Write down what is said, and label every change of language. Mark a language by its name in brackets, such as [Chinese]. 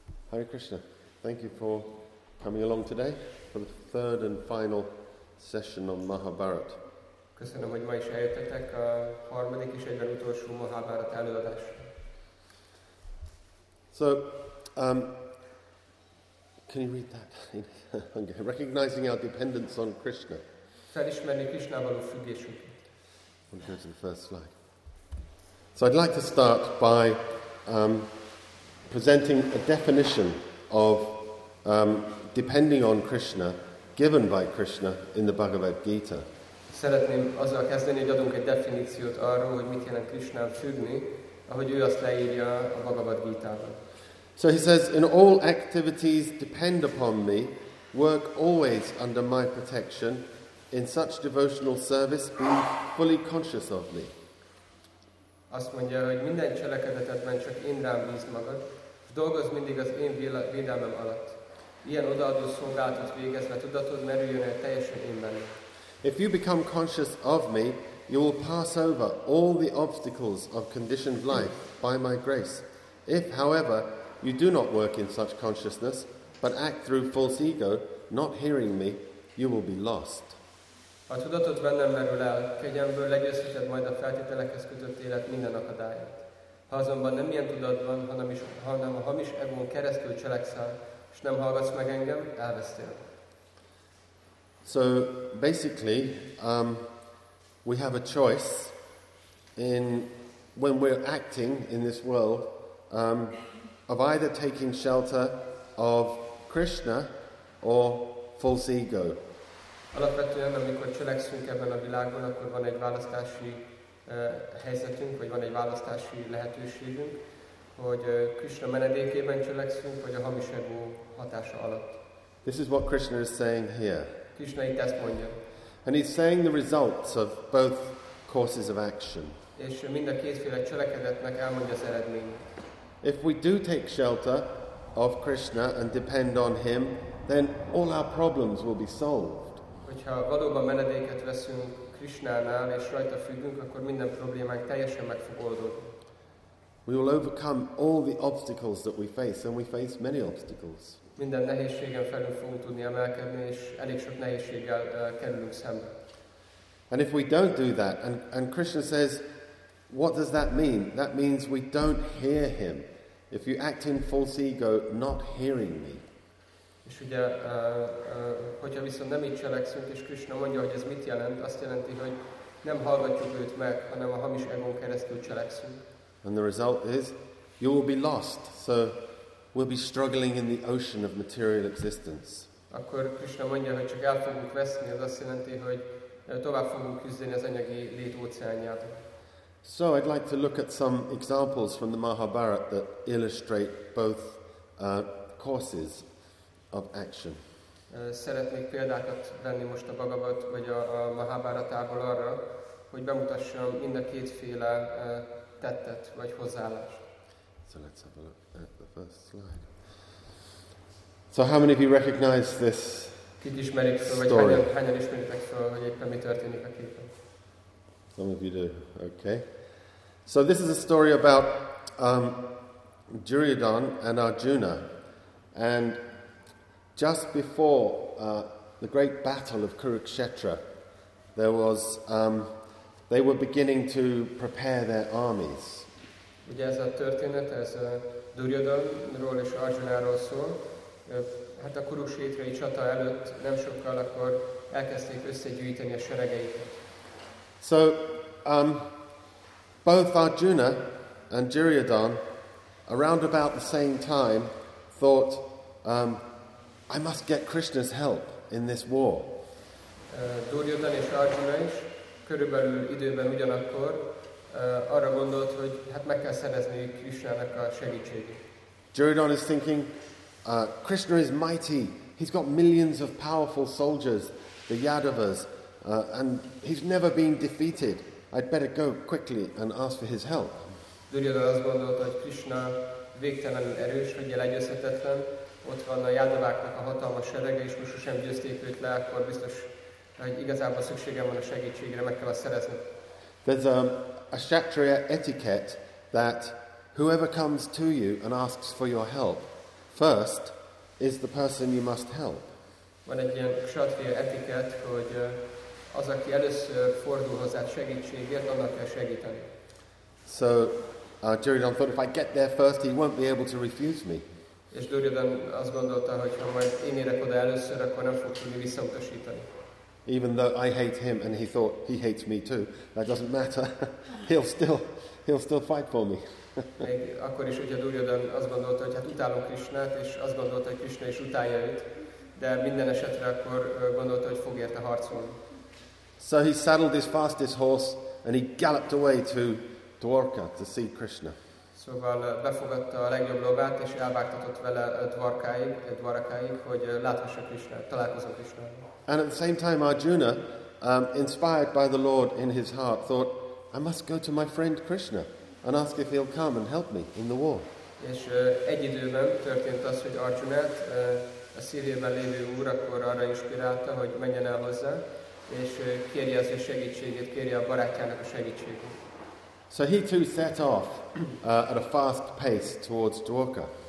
[English] Hare Krishna, thank you for coming along today for the third and final session on Mahabharata. [Hungarian] Köszönöm, hogy ma is eljöttetek a harmadik és egyben utolsó Mahabharata előadás. [English] So, can you read that? Recognizing our dependence on Krishna. [Hungarian] Felismerni Krishnával a függésünket. [English] We'll go to the first slide. So I'd like to start by presenting a definition of depending on Krishna, given by Krishna in the Bhagavad Gita. [Hungarian] Szeretném azzal kezdeni, hogy adunk egy definíciót arról, hogy mit jelent Krishna függni, ahogy ő azt leírja a Bhagavad Gita-ban. [English] So he says, in all activities depend upon me, work always under my protection, in such devotional service be fully conscious of me. [Hungarian] Azt mondja, hogy minden cselekedetben csak én rám bíz magad, és dolgozz mindig az én védelmem alatt. Ilyen odaadó szolgálatot végezve tudatod merüljön el teljesen én benne. [English] If you become conscious of me, you will pass over all the obstacles of conditioned life by my grace. If, however, you do not work in such consciousness, but act through false ego, not hearing me, you will be lost. [Hungarian] Ha a tudatod bennem merül el, kegyemből legyőzheted majd a feltételekhez kötött élet minden akadályát. Ha azonban nem ilyen tudatban, hanem a hamis egón keresztül cselekszel, és nem hallgatsz meg engem, elvesztél. [English] So, basically, we have a choice in when we're acting in this world of either taking shelter of Krishna or false ego. [Hungarian] Alapvetően, amikor cselekszünk ebben a világban, akkor van egy választási helyzetünk, vagy van egy választási lehetőségünk, hogy Krishna menedékében cselekszünk, vagy a hamis ego hatása alatt. [English] This is what Krishna is saying here. [Hungarian] Krishna itt ezt mondja. [English] And he's saying the results of both courses of action. [Hungarian] És mind a kétféle cselekedetnek elmondja az eredményt. [English] If we do take shelter of Krishna and depend on him, then all our problems will be solved. [Hungarian] Hogyha valóban menedéket veszünk Krishnánál és rajta függünk, akkor minden problémánk teljesen meg fog oldódni. [English] We will overcome all the obstacles that we face, and we face many obstacles. [Hungarian] Minden nehézségen felül fogunk tudni emelkedni, és elég sok nehézséggel kerülünk szembe. [English] And if we don't do that, and Krishna says, what does that mean? That means we don't hear him. If you act in false ego, not hearing me. [Hungarian] És ugye, hogyha viszont nem így cselekszünk, és Krishna mondja, hogy ez mit jelent, azt jelenti, hogy nem hallgatjuk őt meg, hanem a hamis egón keresztül cselekszünk. [English] And the result is, you will be lost, so we'll be struggling in the ocean of material existence. [Hungarian] Akkor Krishna mondja, hogy csak el fogunk veszni, az azt jelenti, hogy tovább fogunk küzdeni az anyagi lét óceánjában. [English] So I'd like to look at some examples from the Mahabharata that illustrate both courses of action. [Hungarian] Szeretnék példákat venni most a Bhagavat vagy a Mahabharatából arra, hogy bemutassam mind a kétféle tettet vagy hozzáállást. [English] So let's have a look at the first slide. So how many of you recognize this? [Hungarian] Kik ismerik fel, vagy hányan ismeritek fel, hogy éppen mi történik a képen? [English] Some of you do. Okay. So this is a story about Duryodhan and Arjuna, and just before the great battle of Kurukshetra, there was they were beginning to prepare their armies. [Hungarian] Ugye ez a történet, ez Duryodhanról és Arjunáról szól. hát a kurukshétrai csata előtt nem sokkal akkor elkezdték összegyűjteni a seregeiket. [English] So both Arjuna and Duryodhana around about the same time thought I must get Krishna's help in this war. [Hungarian] Duryodhana és Arjuna is körülbelül időben ugyanakkor arra gondolt, hogy hát meg kell szerezni Krishnának a segítségét. [English] Duryodhana is thinking Krishna is mighty. He's got millions of powerful soldiers, the Yadavas, and he's never been defeated. I'd better go quickly and ask for his help. [Hungarian] Duryodhana azt gondolta, hogy Krishna végtelenül erős, hogy legyőzhetetlen. Ott van a Yadaváknak a hatalmas serege, és most sosem győzték őt le, akkor biztos, hogy igazából szükségem van a segítségre, meg kell azt szerezni. [English] There's a Kshatriya etiquette that whoever comes to you and asks for your help first is the person you must help. [Hungarian] Van egy ilyen Kshatriya etiquette, hogy az, aki először fordul hozzá segítségért, annak kell segíteni. [English] So Duryodhana thought, if I get there first, he won't be able to refuse me. [Hungarian] És Duryodhana azt gondolta, hogy ha majd én érek oda először, akkor nem fog tudni visszautasítani. [English] Even though I hate him, and he thought he hates me too, that doesn't matter. He'll still fight for me. [Hungarian] Akkor is, hogyha Duryodhana azt gondolta, hogy hát utálom Krishnát, és azt gondolta, hogy Krishna is utálja őt, de minden esetre akkor gondolta, hogy fog érte harcolni. [English] So he saddled his fastest horse, and he galloped away to Dwarka to see Krishna. [Hungarian] Szóval befogadta a legjobb lovát, és elvágtatott vele Dwarkáig, hogy láthassa Krishnát, találkozzon Krishnával. [English] And at the same time, Arjuna, inspired by the Lord in his heart, thought, I must go to my friend Krishna and ask if he'll come and help me in the war. [Hungarian] És egy időben történt az, hogy Arjunát, a Szíriában lévő úr, akkor arra inspirálta, hogy menjen el hozzá, és kérje az ő segítségét, kérje a barátjának a segítségét. [English] So he too set off at a fast pace towards Dwarka.